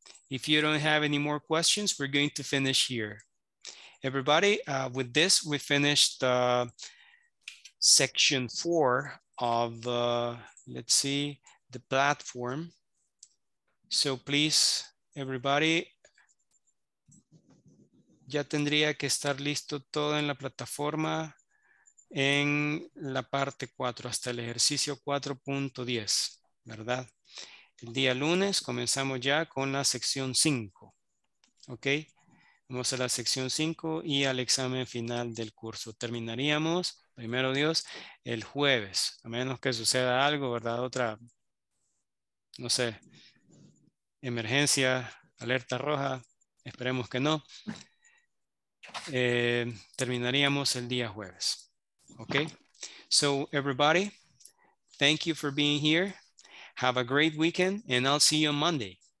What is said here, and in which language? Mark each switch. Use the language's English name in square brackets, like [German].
[English] If you don't have any more questions, we're going to finish here. Everybody, with this, we finished section 4 of, let's see, the platform. So please, everybody, [Spanish] ya tendría que estar listo todo en la plataforma. En la parte 4, hasta el ejercicio 4.10, ¿verdad? El día lunes comenzamos ya con la sección 5, ¿ok? Vamos a la sección 5 y al examen final del curso. Terminaríamos, primero Dios, el jueves, a menos que suceda algo, ¿verdad? Otra, no sé, emergencia, alerta roja, esperemos que no. Terminaríamos el día jueves. [English] Okay, so everybody, thank you for being here. Have a great weekend, and I'll see you on Monday.